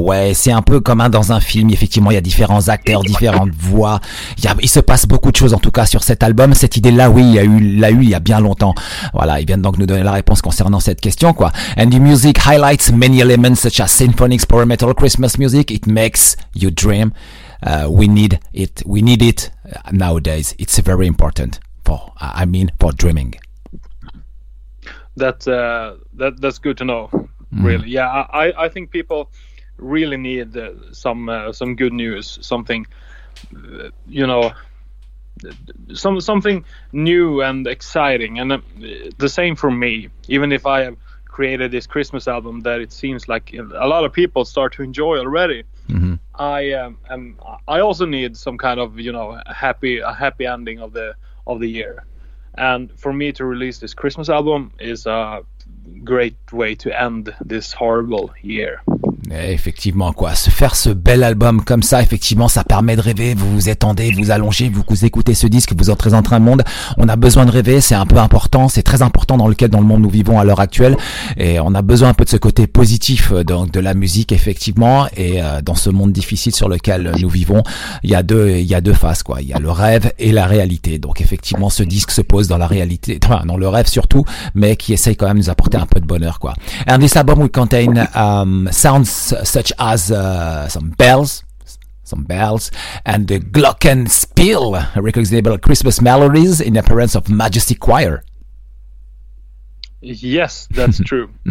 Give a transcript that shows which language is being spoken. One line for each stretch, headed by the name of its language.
French: Ouais, c'est un peu comme dans un film. Effectivement, il y a différents acteurs, différentes voix. Il se passe beaucoup de choses, en tout cas, sur cet album. Cette idée-là, oui, il l'a eu il y a bien longtemps. Voilà, il vient donc nous donner la réponse concernant cette question, quoi.
English: And the music highlights many elements such as symphonic, power metal, Christmas music. It makes you dream. We need it nowadays. It's very important. people. I mean, for dreaming. That's good to know. Really, yeah. I think people really need some good news, something, you know, something new and exciting. And the same for me. Even if I have created this Christmas album that it seems like a lot of people start to enjoy already, I also need some kind of, you know, a happy ending of the year. And for me to release this Christmas album is a great way to end this horrible year.
French: Effectivement, quoi. Se faire ce bel album comme ça, effectivement, ça permet de rêver. Vous vous étendez, vous allongez, vous écoutez ce disque, vous entrez dans un monde. On a besoin de rêver, c'est un peu important, c'est très important dans le monde nous vivons à l'heure actuelle. Et on a besoin un peu de ce côté positif donc de la musique, effectivement. Et dans ce monde difficile sur lequel nous vivons, il y a deux faces, quoi. Il y a le rêve et la réalité. Donc effectivement, ce disque se pose dans la réalité, enfin, dans le rêve surtout, mais qui essaye quand même de nous apporter un peu de bonheur, quoi.
English: And this album will contain sounds such as some bells and the glockenspiel, recognizable Christmas melodies in the appearance of Majesty Choir. Yes, that's true.